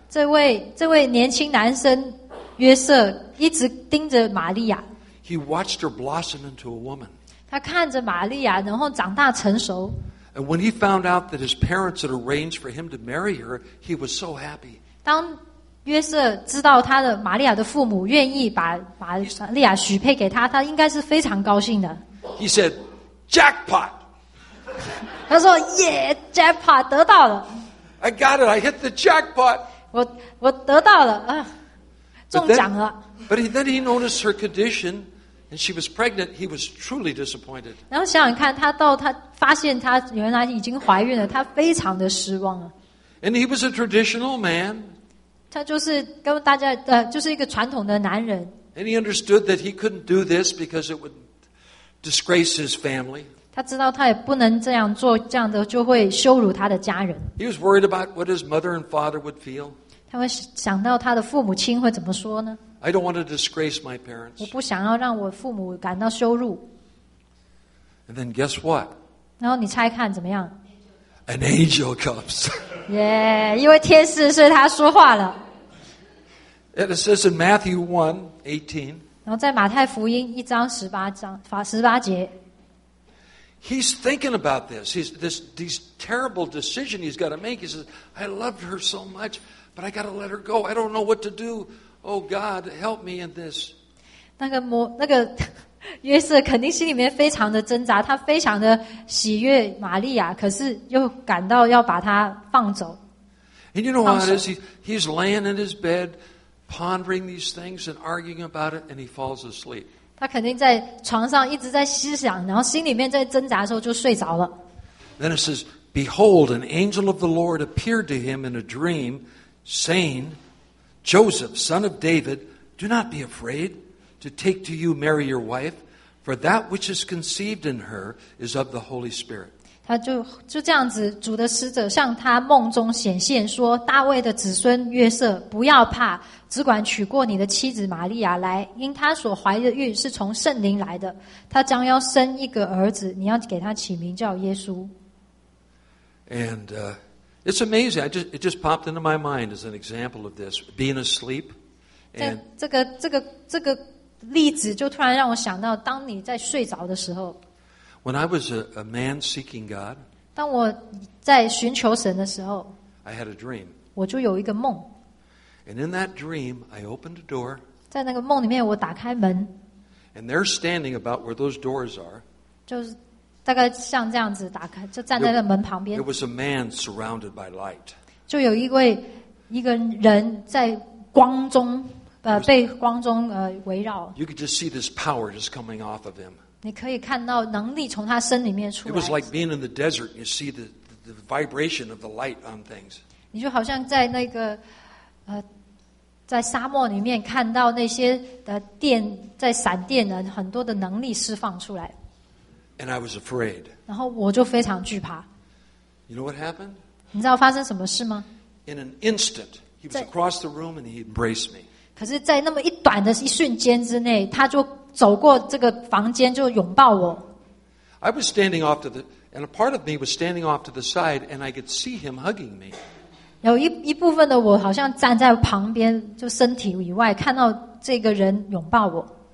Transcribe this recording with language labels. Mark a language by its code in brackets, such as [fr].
[zh] 这位年轻男生约瑟一直盯着玛利亚。 [en] He watched her blossom into a woman. [zh] 他看着玛利亚，然后长大成熟。 [en] And when he found out that his parents had arranged for him to marry her, he was so happy. [zh] 当约瑟知道他的玛利亚的父母愿意把玛利亚许配给他，他应该是非常高兴的。 [en] He said, "Jackpot." [zh] 他说 ， [en] Yeah, jackpot, [zh] 得到了。 [en] I got it. I hit the jackpot. [zh] 我得到了啊，中奖了。 [en] But then he noticed her condition, and she was pregnant. He was truly disappointed. [zh] 然后想想看，他发现他原来已经怀孕了，他非常的失望了。 [en] And he was a traditional man. [zh] 他就是跟大家就是一个传统的男人。 [en] And he understood that he couldn't do this because it would disgrace his family. [zh] 他知道他也不能这样做，这样的就会羞辱他的家人。 [en] He was worried about what his mother and father would feel. [zh] 他会想到他的父母亲会怎么说呢？ [en] I don't want to disgrace my parents. [zh] 我不想要让我父母感到羞辱。 [en] And then guess what? [zh] 然后你猜看怎么样？ [en] An angel comes. [zh] Yeah, 因为天使，所以他说话了。 [en] It says in Matthew 1:18. [zh] 然后在马太福音一章十八章十八节。 [en] He's thinking about this. He's this terrible decision he's got to make. He says, "I loved her so much, but I got to let her go. I don't know what to do. Oh God, help me in this." [zh] 那个约瑟肯定心里面非常的挣扎，他非常的喜悦玛利亚，可是又感到要把她放走。 [en] And you know what it is? He's laying in his bed, pondering these things and arguing about it, and he falls asleep. [zh] 他肯定在床上一直在思想，然后心里面在挣扎的时候就睡着了。 [en] Then it says, "Behold, an angel of the Lord appeared to him in a dream, saying, 'Joseph, son of David, do not be afraid.'" To take to you Mary your wife, for that which is conceived in her is of the Holy Spirit. [zh] 他就这样子，主的使者向他梦中显现说：“大卫的子孙约瑟，不要怕，只管娶过你的妻子玛利亚来，因她所怀的孕是从圣灵来的。她将要生一个儿子，你要给他起名叫耶稣。” [en] And it's amazing. It just popped into my mind as an example of this being asleep. And [zh] 这个例子就突然让我想到，当你在睡着的时候。 [en] When I was a man seeking God, [zh] 当我在寻求神的时候 [en] ，I had a dream. [zh] 我就有一个梦。 [en] And in that dream, I opened a door. [zh] 在那个梦里面，我打开门。 [en] And they're standing about where those doors are. [zh] 就是大概像这样子打开，就站在那个门旁边。 [en] It was a man surrounded by light. [zh] 就有一个人在光中。被光中围绕。 [en] You could just see this power just coming off of him. [zh] 你可以看到能力从他身里面出来。 [en] It was like being in the desert. You see the vibration of the light on things. [zh] 你就好像在那个在沙漠里面看到那些的电在闪电的很多的能力释放出来。 [en] And I was afraid. [zh] 然后我就非常惧怕。 [en] You know what happened? [zh] 你知道发生什么事吗 [en] ？In an instant, he was across the room and he embraced me. [zh] 可是，在那么一短的一瞬间之内，他就走过这个房间，就拥抱我。 [en] I was standing off to the, and a part of me was standing off to the side, and I could see him hugging me. [zh] 有一部分的我好像站在旁边，就身体以外看到这个人拥抱我。